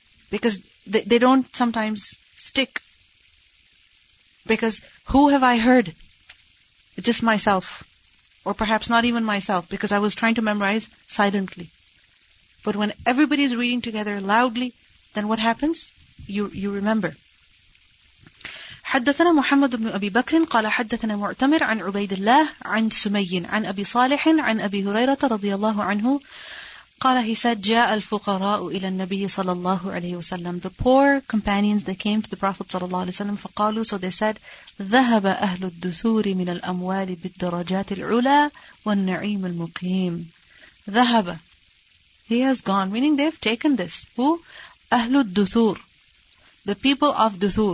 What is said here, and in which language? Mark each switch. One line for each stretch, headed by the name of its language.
English: Because they don't sometimes stick. Because who have I heard? Just myself. Or perhaps not even myself, because I was trying to memorize silently. But when everybody's reading together loudly, then what happens? You remember.
Arabic: حدثنا محمد بن أبي بكر قال حدثنا معتمر عن عبيد الله عن سمي عن أبي صالح عن أبي هريرة رضي الله عنه قال
English: he said
Arabic: جاء الفقراء إلى النبي صلى الله عليه وسلم.
English: The poor companions, they came to the Prophet
Arabic: صلى الله عليه وسلم. فقالوا,
English: so they said,
Arabic: ذهب أهل الدثور من الأموال بالدرجات العلا والنعيم المقيم.
English: ذهب, he has gone, meaning they have taken this. Who?
Arabic: أهل الدثور,
English: the people of دثور.